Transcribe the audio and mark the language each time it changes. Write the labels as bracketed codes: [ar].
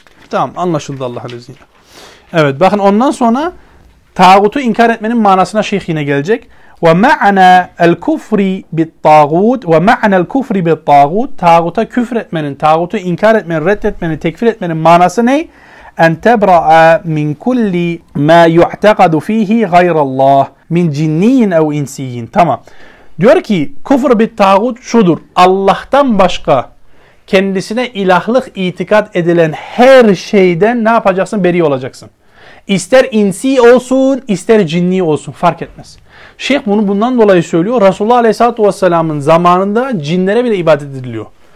[tr] Tamam anlaşıldı Allah'ın izniyle. Evet bakın ondan sonra tağutu inkar etmenin manasına şeyh yine gelecek. [ar] وَمَعْنَا الْكُفْرِ بِالْطَاغُوتِ وَمَعْنَا الْكُفْرِ بِالْطَاغُوتِ [tr] Tağuta küfretmenin, tağutu inkar etmenin, reddetmenin, tekfir etmenin manası ne? [ar] اَنْ تَبْرَعَ مِنْ كُلِّ مَا يُعْتَقَدُ ف۪يهِ غَيْرَ اللّٰهِ مِنْ جِنِّيِّنْ اَوْ اِنْسِيِّنْ [tr] Tamam. Diyor ki, küfür بِالْطَاغُوتِ şudur. Allah'tan başka kendisine ilahlık itikad edilen her şeyden ne yapacaksın? Beri olacaksın. İster insi olsun, ister cinni olsun. Fark etmez. Şeyh bunu bundan dolayı söylüyor. Resulullah Aleyhisselatü Vesselam'ın zamanında cinlere bile ibadet ediliyor.